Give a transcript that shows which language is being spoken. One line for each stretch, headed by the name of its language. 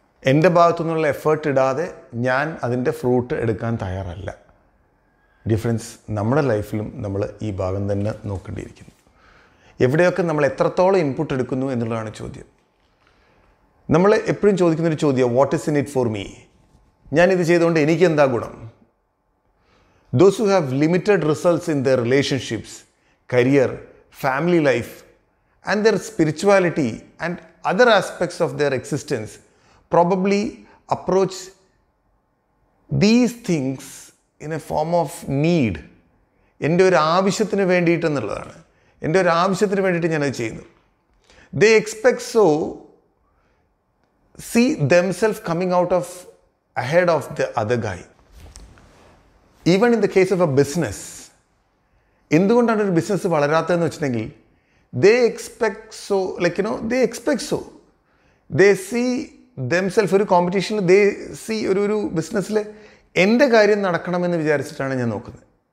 Malayalam: എൻ്റെ ഭാഗത്തുനിന്നുള്ള എഫേർട്ട് ഇടാതെ ഞാൻ അതിൻ്റെ ഫ്രൂട്ട് എടുക്കാൻ തയ്യാറല്ല. ഡിഫറൻസ് നമ്മുടെ ലൈഫിലും നമ്മൾ ഈ ഭാഗം തന്നെ നോക്കേണ്ടിയിരിക്കുന്നു. എവിടെയൊക്കെ നമ്മൾ എത്രത്തോളം ഇൻപുട്ട് എടുക്കുന്നു എന്നുള്ളതാണ് ചോദ്യം. നമ്മൾ എപ്പോഴും ചോദിക്കുന്നൊരു ചോദ്യം,
English: What is in it for me?
Malayalam: ഞാനിത് ചെയ്തുകൊണ്ട് എനിക്ക് എന്താ ഗുണം?
English: Those who have limited results in their relationships, career, family life, and their spirituality and other aspects of their existence probably approach these things in a form of need.
Malayalam: എൻ്റെ ഒരു ആവശ്യത്തിന് വേണ്ടിയിട്ട് എന്നുള്ളതാണ്. എൻ്റെ ഒരു ആവശ്യത്തിന് വേണ്ടിയിട്ട് ഞാനത് ചെയ്യുന്നു.
English: They expect so see themselves coming out of ahead of the other guy. Even in the case of a business.
Malayalam: എന്തുകൊണ്ടാണ് ഒരു ബിസിനസ് വളരാത്തതെന്ന് വെച്ചിട്ടുണ്ടെങ്കിൽ,
English: They expect so, like you know, they expect so, they see themself.
Malayalam: ഒരു കോമ്പറ്റീഷനിൽ
English: they see
Malayalam: ഒരു ബിസിനസ്സിൽ എൻ്റെ കാര്യം നടക്കണമെന്ന് വിചാരിച്ചിട്ടാണ് ഞാൻ നോക്കുന്നത്.